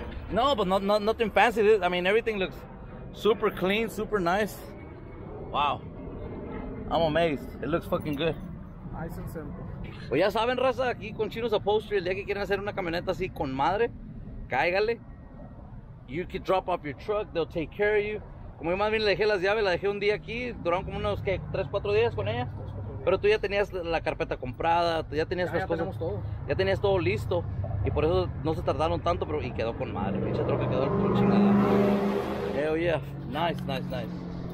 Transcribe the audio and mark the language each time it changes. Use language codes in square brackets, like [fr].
[en] No, but nothing fancy. I mean, everything looks super clean, super nice. Wow. I'm amazed. It looks fucking good. Nice and simple. [es] Pues ya saben, raza, aquí con Chino's Upholstery, el día que quieren hacer una camioneta así con madre, cáigale. [en] You can drop off your truck, they'll take care of you. [es] Como yo más bien le dejé las llaves, la dejé un día aquí, duraron como unos, ¿qué? 3-4 días con ella. 3-4 días. Pero tú ya tenías la carpeta comprada, ya tenías ya las cosas. Tenemos todo. Ya tenías todo listo. Y por eso no se tardaron tanto, pero y quedó con madre. Pinche troca quedó con chingada. [en] Hell yeah. Nice.